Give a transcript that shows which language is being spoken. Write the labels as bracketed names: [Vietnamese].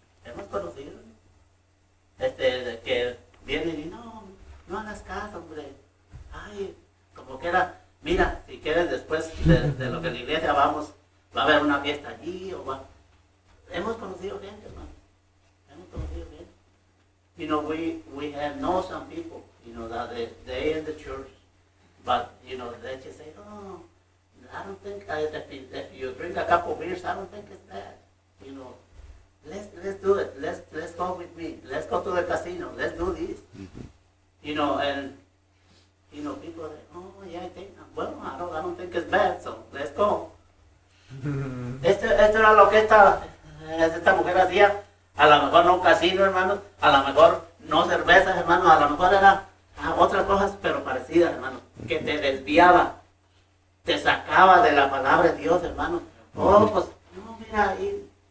[Spanish] Hemos conocido, que vienen y no hagas caso, hombre. Ay, como que era, mira, si quieres después de lo que la iglesia vamos, va a haber una fiesta allí o va. Hemos conocido gente, hermano. Hemos conocido gente. [English] You know, we have known some people, you know, that they in the church, but, you know, they just say, oh, I don't think, if you drink a couple of beers, I don't think it's bad. You know, let's do it. Let's go with me. Let's go to the casino. Let's do this. You know, and, you know, people are like, oh, yeah, I think, well, I don't think it's bad, so let's go. [Spanish] Esto era lo que estaba. Esta mujer hacía, a lo mejor no un casino, hermano, a lo mejor no cervezas, hermano, a lo mejor era otras cosas, pero parecidas, hermano, que te desviaba, te sacaba de la palabra de Dios, hermano. Oh, pues, no, mira ahí.